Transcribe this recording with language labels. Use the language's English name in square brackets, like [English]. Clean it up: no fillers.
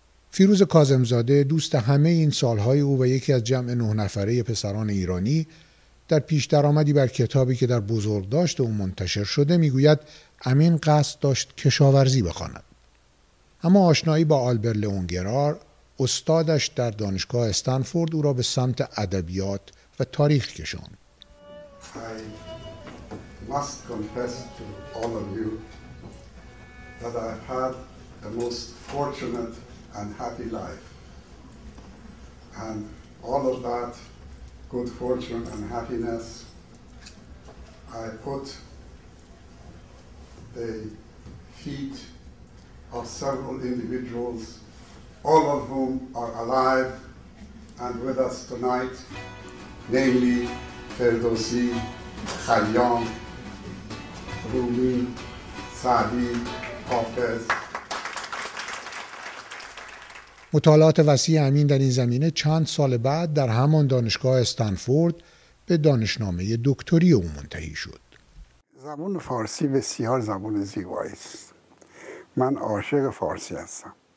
[Persian] فیروز کاظم‌زاده دوست همه این سالهای او و یکی از جمع 9 نفره پسران ایرانی در پیش درآمدی بر کتابی که در بزرگداشت او منتشر شده میگوید امین قصد داشت کشاورزی بخواند، اما آشنایی با آلبر لئونگرار استادش در دانشگاه استنفورد او را به سمت ادبیات و تاریخ کشاند. [English] I must confess to all of you that I had the most fortunate and happy life, and all of that good fortune and happiness, I put the feet of several individuals, all of whom are alive and with us tonight, namely Ferdowsi, Khayyam, Rumi, [Persian] سعدی، حافظ. مطالعات وسیع امین در این زمینه چند سال بعد در همان دانشگاه استنفورد به دانشنامه دکتری او منتهی شد. زبان فارسی بسیار زبان زیبایی است. من عاشق فارسی هستم.